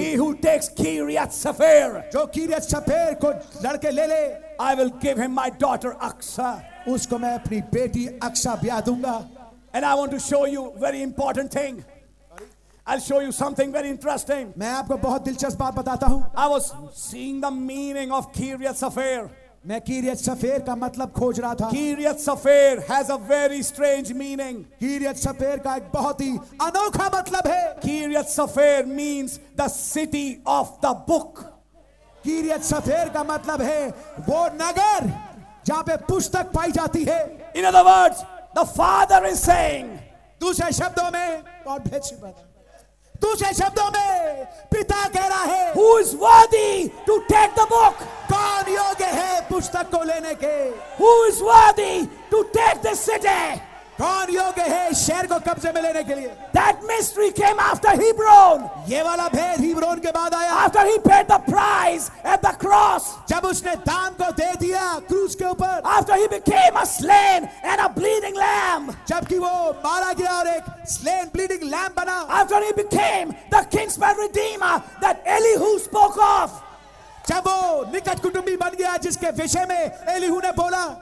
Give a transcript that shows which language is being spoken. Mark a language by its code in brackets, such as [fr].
[en] he who takes Kiriath Sepher [hi] जो किरियत सफेर को लड़के ले ले [en] I will give him my daughter Achsah [hi] उसको मैं अपनी बेटी अक्सा ब्याह दूंगा [en] And I want to show you very important thing I'll show you something very interesting. [hi] मैं आपको बहुत दिलचस्प बात बताता हूँ. [en] I was seeing the meaning of Kiriath Sefer. [hi] मैं Kiriath Sefer का मतलब खोज रहा था. [en] Kiriath Sefer has a very strange meaning. [hi] Kiriath Sefer का एक बहुत ही अनोखा मतलब है. [en] Kiriath Sefer means the city of the book. [hi] Kiriath Sefer का मतलब है वो नगर जहाँ पे पुस्तक पाई जाती है. [en] In other words, the father is saying. [hi] दूसरे शब्दों में और भेजी बात. दूसरे शब्दों में पिता कह रहा है [en] Who is worthy to take the book? [hi] कौन योग्य है पुस्तक को लेने के [en] Who is worthy to take the city? [hi] कौन योग्य है शहर को कब्जे में लेने के लिए [en] That mystery came after Hebron. [hi] ये वाला भेद हीब्रोन के बाद आया [en] After he paid the price at the cross. [hi] जब उसने दाम को दे दिया क्रूस के ऊपर [en] After he became a slain and a bleeding lamb. [hi] जबकि वो मारा गया और एक [en] slain bleeding lamb [hi] बना [en] After he became the kinsman redeemer that Elihu spoke of. [hi] जब वो निकट कुटुंबी बन गया जिसके विषय में एलीहू ने बोला